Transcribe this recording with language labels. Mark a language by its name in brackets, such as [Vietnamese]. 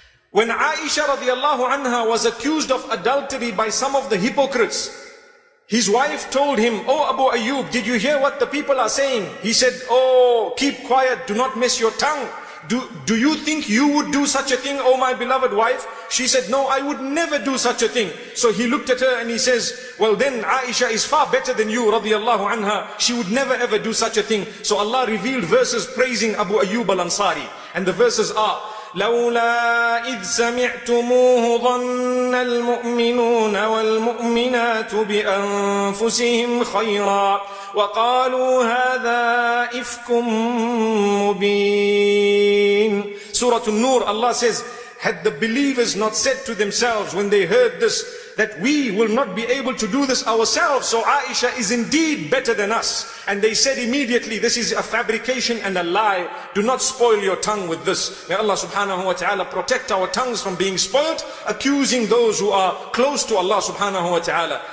[English] When Aisha radiallahu anha was accused of adultery by some of the hypocrites, his wife told him, "Oh Abu Ayyub, did you hear what the people are saying?" He said, "Oh, keep quiet, do not mess your tongue. Do you think you would do such a thing, O my beloved wife? She said, no, I would never do such a thing. So he looked at her and he says, well then Aisha is far better than you, radiallahu anha. She would never ever do such a thing. So Allah revealed verses praising Abu Ayyub al-Ansari. [Arabic] And the verses are, لولا إذ سمعتموه ظن المؤمنون والمؤمنات بأنفسهم خيرا وقالوا هذا إفك مبين. [English] سورة النور, Allah says, had the believers not said to themselves when they heard this that we will not be able to do this ourselves, so Aisha is indeed better than us. And they said immediately, this is a fabrication and a lie. Do not spoil your tongue with this. May Allah subhanahu wa ta'ala protect our tongues from being spoilt, accusing those who are close to Allah subhanahu wa ta'ala.